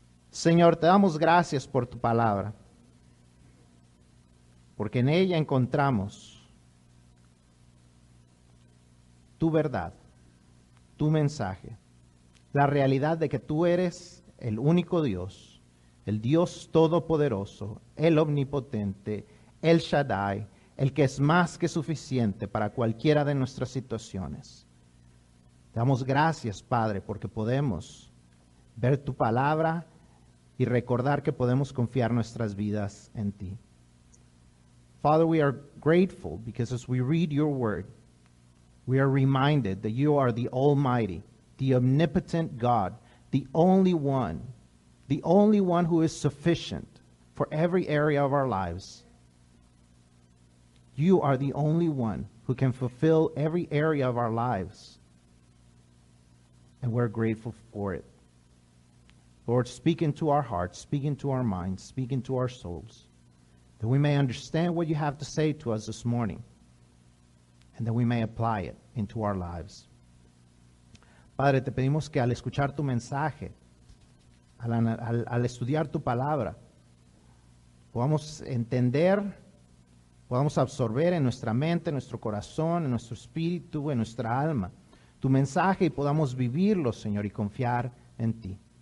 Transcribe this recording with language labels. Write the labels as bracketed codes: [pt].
[es] Señor, te damos gracias por tu palabra, porque en ella encontramos tu verdad, tu mensaje, la realidad de que tú eres el único Dios, el Dios todopoderoso, el omnipotente, el Shaddai, el que es más que suficiente para cualquiera de nuestras situaciones. Te damos gracias, Padre, porque podemos ver tu palabra y recordar que podemos confiar nuestras vidas en ti. [en] Father, we are grateful because as we read your word, we are reminded that you are the Almighty, the omnipotent God, the only one who is sufficient for every area of our lives. You are the only one who can fulfill every area of our lives. And we're grateful for it. Lord, speak into our hearts, speak into our minds, speak into our souls, that we may understand what you have to say to us this morning, and that we may apply it into our lives. [es] Padre, te pedimos que al escuchar tu mensaje, al estudiar tu palabra, podamos entender, podamos absorber en nuestra mente, en nuestro corazón, en nuestro espíritu, en nuestra alma, tu mensaje y podamos vivirlo, Señor, y confiar en ti.